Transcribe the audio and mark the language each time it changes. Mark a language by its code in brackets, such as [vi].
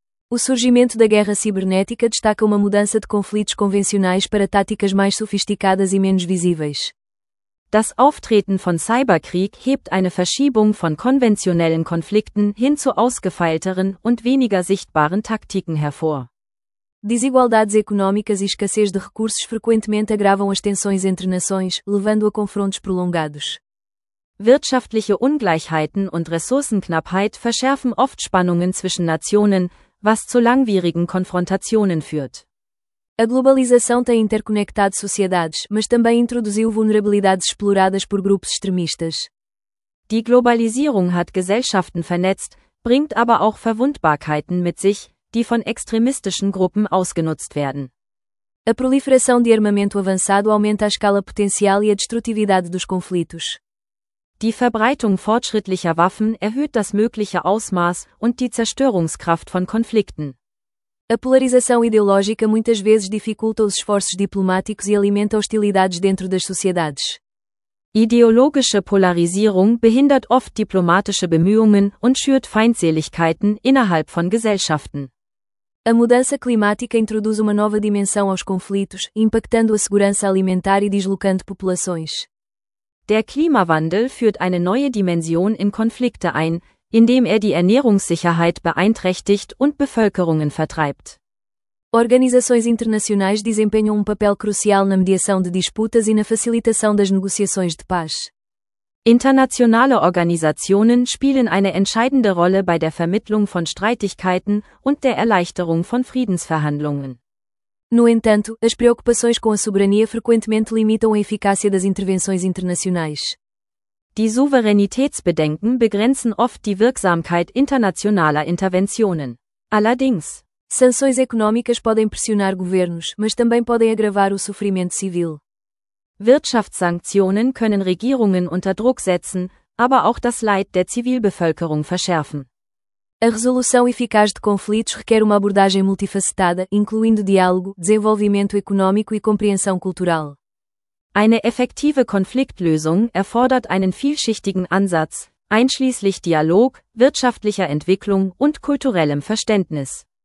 [pt] O surgimento da guerra cibernética destaca uma mudança de conflitos convencionais para táticas mais sofisticadas e menos visíveis. [de] Das Auftreten von Cyberkrieg hebt eine Verschiebung von konventionellen Konflikten hin zu ausgefeilteren und weniger sichtbaren Taktiken hervor. [pt] Desigualdades económicas e escassez de recursos frequentemente agravam as tensões entre nações, levando a confrontos prolongados. [de] Wirtschaftliche Ungleichheiten und Ressourcenknappheit verschärfen oft Spannungen zwischen Nationen, was zu langwierigen Konfrontationen führt. [pt] A globalização tem interconectado sociedades, mas também introduziu vulnerabilidades exploradas por grupos extremistas. [de] Die Globalisierung hat Gesellschaften vernetzt, bringt aber auch Verwundbarkeiten mit sich, die von extremistischen Gruppen ausgenutzt werden. [pt] A proliferação de armamento avançado aumenta a escala potencial e a destrutividade dos conflitos. [de] Die Verbreitung fortschrittlicher Waffen erhöht das mögliche Ausmaß und die Zerstörungskraft von Konflikten. [pt] A polarização ideológica muitas vezes dificulta os esforços diplomáticos e alimenta hostilidades dentro das sociedades. [de] Ideologische Polarisierung behindert oft diplomatische Bemühungen und schürt Feindseligkeiten innerhalb von Gesellschaften. [pt] A mudança climática introduz uma nova dimensão aos conflitos, impactando a segurança alimentar e deslocando populações. [de] Der Klimawandel führt eine neue Dimension in Konflikte ein, indem die Ernährungssicherheit beeinträchtigt und Bevölkerungen vertreibt. [pt] Organizações internacionais desempenham papel crucial na mediação de disputas e na facilitação das negociações de paz. [de] Internationale Organisationen spielen eine entscheidende Rolle bei der Vermittlung von Streitigkeiten und der Erleichterung von Friedensverhandlungen. [pt] No entanto, as preocupações com a soberania frequentemente limitam a eficácia das intervenções internacionais. [de] Die Souveränitätsbedenken begrenzen oft die Wirksamkeit internationaler Interventionen. Allerdings, [pt] sanções econômicas podem pressionar governos, mas também podem agravar o sofrimento civil. [de] Wirtschaftssanktionen können Regierungen unter Druck setzen, aber auch das Leid der Zivilbevölkerung verschärfen. [pt] A resolução eficaz de conflitos requer uma abordagem multifacetada, incluindo diálogo, desenvolvimento econômico e compreensão cultural. [de] Eine effektive Konfliktlösung erfordert einen vielschichtigen Ansatz, einschließlich Dialog, wirtschaftlicher Entwicklung und kulturellem Verständnis.